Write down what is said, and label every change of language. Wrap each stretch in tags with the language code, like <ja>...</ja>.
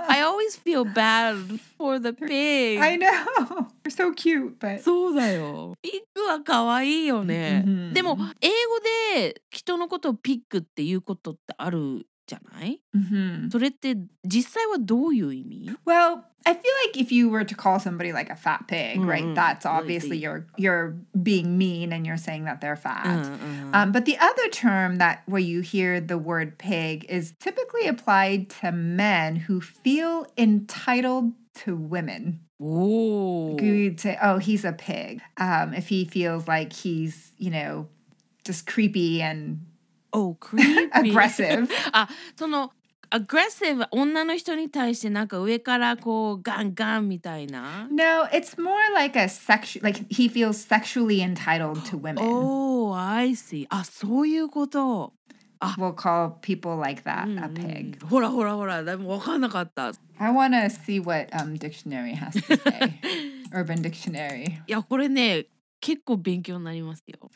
<en>I always feel bad for the pig. I know. You're so cute, but...</en> <ja>そうだよ。ピッグは可愛いよね。でも英語で人のことをピッグっていうことってあるじゃない？それって実際はどういう意味？</ja> <en>Well... I feel like if you were to call somebody like a fat pig, right? That's obviously you're being mean and you're saying that they're fat. But the other term that where you hear the word pig is typically applied to men who feel entitled to women. Ooh. You'd say, oh, he's a pig. If he feels like he's, you know, just creepy and creepy. aggressive.</en> <ja>Aggressive, 女の人に対してなんか上からこうガンガンみたいな?</ja> <en>No, it's more like a sexual, like he feels sexually entitled to women. Oh, I see.</en> <ja>あ、そういうこと。</ja> <en>We'll call people like that a pig.</en> <ja>ほらほらほら、でも分かんなかった。</ja> <en>I wanna see what dictionary has to say. Urban Dictionary.</en> <ja>いや、これね、結構勉強になりますよ。</ja>